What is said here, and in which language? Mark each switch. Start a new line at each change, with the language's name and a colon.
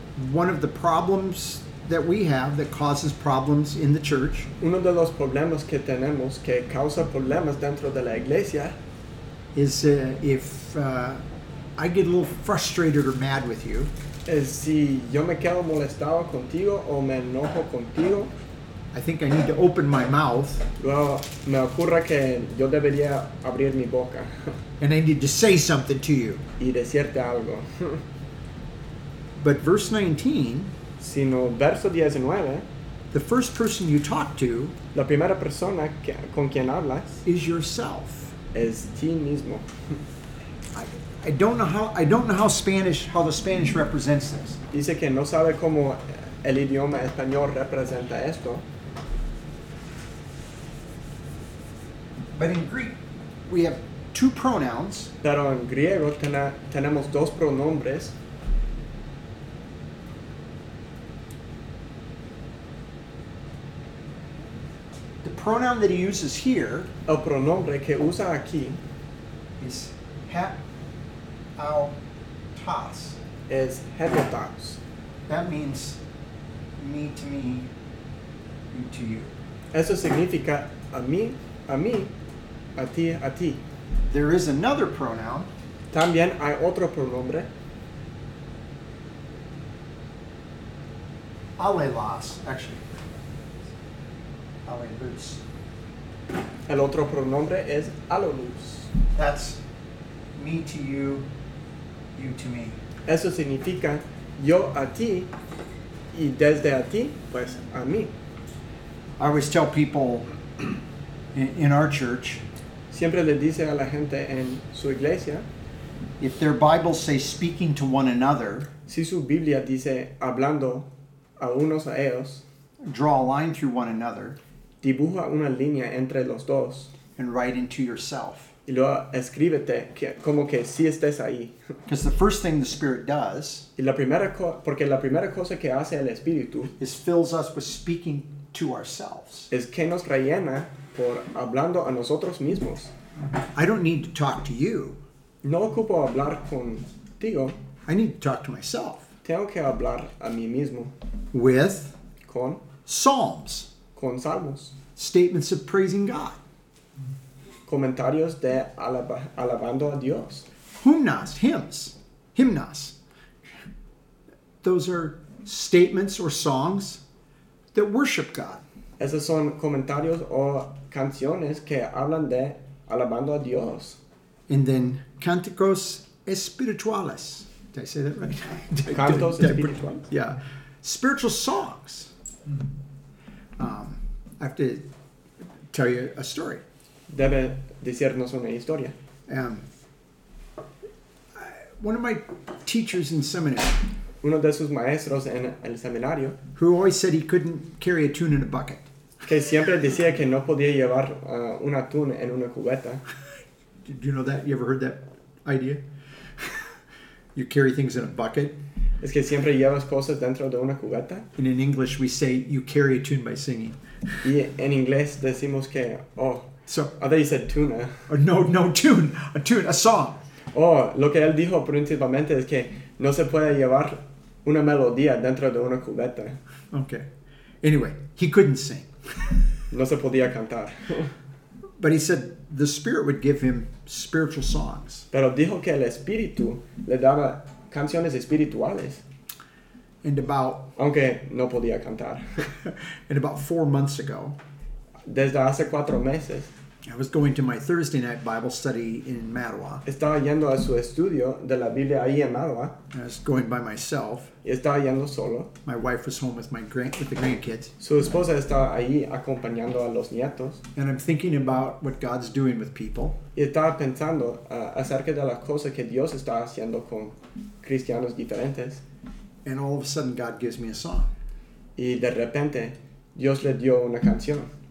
English: One of the problems that we have that causes problems in the church.
Spanish: Uno de los problemas que tenemos que causa problemas dentro de la iglesia
English: is if I get a little frustrated or mad with you.
Spanish: Si yo me quedo molestado contigo o me enojo contigo,
English: I think I need to open my mouth.
Spanish: Well, me ocurre que yo debería abrir mi boca.
English: And I need to say something to you.
Spanish: Y decirte algo.
English: But verse 19,
Spanish: sino verso 19,
English: the first person you talk to,
Spanish: la primera persona que, con quien hablas,
English: is yourself.
Spanish: Es ti mismo.
English: I don't know how Spanish, how the Spanish represents this.
Spanish: Dice que no sabe cómo el idioma español representa esto.
English: But in Greek, we have two pronouns.
Spanish: Pero en griego tenemos dos pronombres.
English: The pronoun that he uses here,
Spanish: el pronombre que usa aquí,
English: is hepatos. Is hepatos. That means me to me, you to you.
Spanish: Eso significa a mí, a ti, a ti.
English: There is another pronoun.
Spanish: También hay otro pronombre.
English: Alelas, actually.
Spanish: El otro pronombre es alelus.
English: That's me to you, you to me.
Spanish: Eso significa yo a ti y desde a ti, pues a mí.
English: I always tell people in our church,
Spanish: siempre le dice a la gente en su iglesia,
English: if their Bible say speaking to one another,
Spanish: si su Biblia dice hablando a unos a ellos,
English: draw a line through one another,
Spanish: dibuja una línea entre los dos.
English: And write into yourself.
Spanish: Y luego escríbete que, como que sí estés ahí.
English: Because the first thing the Spirit does.
Spanish: Y la primera porque la primera cosa que hace el Espíritu.
English: Is fills us with speaking to ourselves.
Spanish: Es que nos rellena por hablando a nosotros mismos.
English: I don't need to talk to you.
Spanish: No ocupo hablar contigo.
English: I need to talk to myself.
Spanish: Tengo que hablar a mí mismo.
English: With.
Spanish: Con.
English: Psalms.
Spanish: Con salmos.
English: Statements of praising God.
Spanish: Comentarios de alabando a Dios.
English: Hymnas, hymns. Hymnas. Those are statements or songs that worship God.
Spanish: Esos son comentarios o canciones que hablan de alabando a Dios.
English: And then
Spanish: cánticos espirituales.
English: Did I say that right?
Spanish: Cantos espirituales.
English: Yeah. Spiritual songs. I have to tell you a story.
Spanish: Debe decirnos una historia.
English: One of my teachers in seminary.
Spanish: Uno de sus maestros en el seminario.
English: Who always said he couldn't carry a tuna in a bucket.
Spanish: Que siempre decía que no podía llevar una tuna en una cubeta.
English: Do you know that? You ever heard that idea? You carry things in a bucket.
Spanish: Es que siempre llevas cosas dentro de una cubeta.
English: And in English we say you carry a tuna by singing.
Spanish: Y en inglés decimos que,
English: oh, so, I thought you said tuna. A tune, a song.
Spanish: Oh, lo que él dijo principalmente es que no se puede llevar una melodía dentro de una cubeta.
English: Okay. Anyway, he couldn't sing.
Spanish: No se podía cantar.
English: But he said the Spirit would give him spiritual songs.
Spanish: Pero dijo que el Espíritu le daba canciones espirituales.
English: And about,
Spanish: aunque no podía cantar.
English: And about 4 months ago,
Spanish: desde hace 4 meses,
English: I was going to my Thursday night Bible study in Mattawa.
Spanish: Estaba yendo a su estudio de la Biblia ahí en Mattawa.
English: I was going by myself.
Spanish: Y estaba yendo solo.
English: My wife was home with the grandkids.
Spanish: Su esposa estaba ahí acompañando a los nietos.
English: And I'm thinking about what God's doing with people.
Spanish: Y estaba pensando acerca de las cosas que Dios está haciendo con cristianos diferentes.
English: And all of a sudden, God gives me a song.
Spanish: Y de repente, Dios le dio una canción.